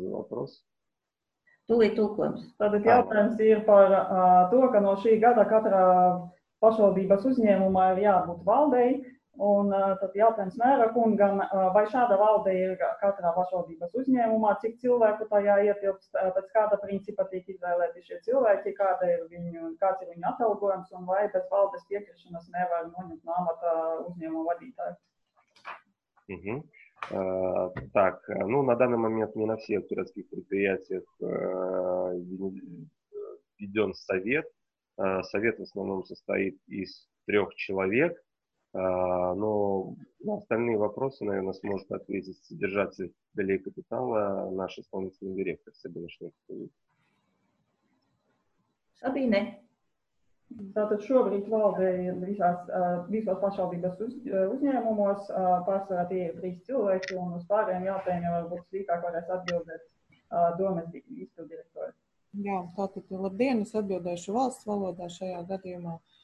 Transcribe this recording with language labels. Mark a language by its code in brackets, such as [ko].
[lv] Tātad jautājums ir par to, ka no šī gada katrā pašvaldības uzņēmumā ir jābūt valdei, un tad jautājums mēra kungam, vai šāda valde ir katrā pašvaldības uzņēmumā, cik cilvēku tajā ietilpst, pēc kāda principa tiek izvēlēti šie cilvēki, kāda ir viņu, kāds ir viņu atalgojums, un vai bez valdes piekrišanas nevar noņemt no amata uzņēmuma vadītāju. Mhm. [ru] Так, ну, на данный момент не на всех городских предприятиях введен совет. Совет в основном состоит из трех человек, но на остальные вопросы, наверное, сможет ответить содержатель долей капитала, наш исполнительный директор Сабина Шнекова. Сабина. [lv] Tātad šobrīd valde visos pašvaldības uzņēmumos, pārsvarā tie ir trīs cilvēki, un uz pārējiem jautājumiem varbūt sīkāk varēs atbildēt domes izpilddirektori. Jā, tātad labdien, es atbildēšu valsts valodā šajā gadījumā.